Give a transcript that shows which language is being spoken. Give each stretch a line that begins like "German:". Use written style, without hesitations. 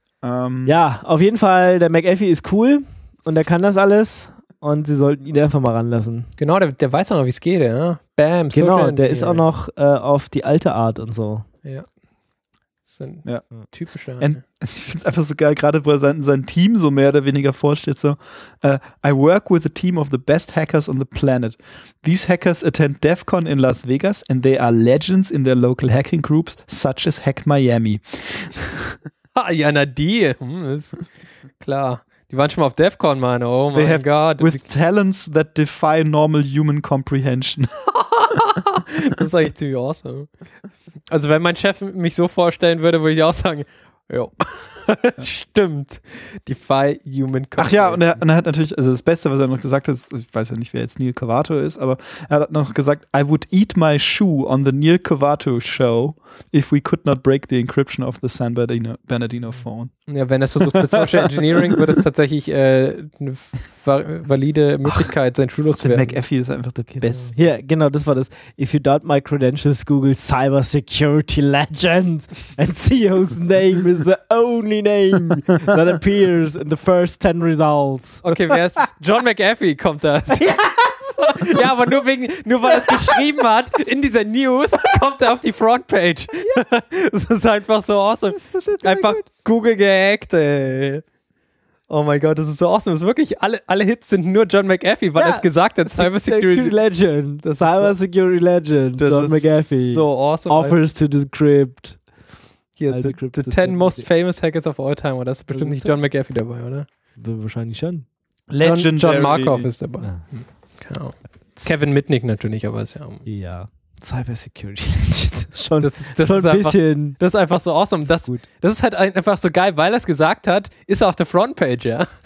German: Ja, auf jeden Fall, der McAfee ist cool. Und er kann das alles und sie sollten ihn einfach mal ranlassen. Genau, der weiß auch noch, wie es geht, ja. Bam, so. Genau, der ist auch noch auf die alte Art und so. Ja. Das sind typische. Ich finde es einfach so geil, gerade wo er sein Team so mehr oder weniger vorstellt.
English: So, I work with a team of the best hackers on the planet. These hackers attend DEFCON in Las Vegas and they are legends in their local hacking groups, such as Hack Miami.
German: Ja, na die. Klar. Die waren schon mal auf DEFCON, Mann. Oh mein Gott.
English: With talents that defy normal human comprehension.
German: Das ist eigentlich ziemlich awesome. Also wenn mein Chef mich so vorstellen würde, würde ich auch sagen, jo. Stimmt.
English: Defy human comprehension.
German: Ach ja, und er hat natürlich, also das Beste, was er noch gesagt hat, ich weiß ja nicht, wer jetzt Neil Cavato ist, aber er hat noch gesagt,
English: I would eat my shoe on the Neil Cavato show if we could not break the encryption of the San Bernardino phone.
German: Ja, wenn er es versucht mit Social Engineering, wird es tatsächlich eine valide Möglichkeit, sein Schulhof zu werden. McAfee ist einfach der Beste. Ja, genau, das war das.
English: If you doubt my credentials, Google Cyber Security Legend and CEO's name is the only name that appears in the first 10 results.
German: Okay, wer ist John McAfee kommt da. Ja, aber nur weil er es geschrieben hat, in dieser News, kommt er auf die Frontpage. Ja. Das ist einfach so awesome. Einfach Google gehackt, ey. Oh mein Gott, das ist so awesome. Das ist wirklich, alle Hits sind nur John McAfee, weil er es gesagt hat.
English: Cyber Security Legend. John McAfee. So awesome. Offers to decrypt. Hier, the 10 most famous hackers of all time.
German: Oder? Das ist bestimmt nicht John McAfee dabei, oder? Wahrscheinlich schon.
English: Legendary.
German: John Markov ist dabei. Ja. Genau. Kevin Mitnick natürlich, aber ist ja. Ja. Cyber Security Legend. Das ist einfach so awesome. Das ist halt einfach so geil, weil er es gesagt hat, ist er auf der Frontpage, ja.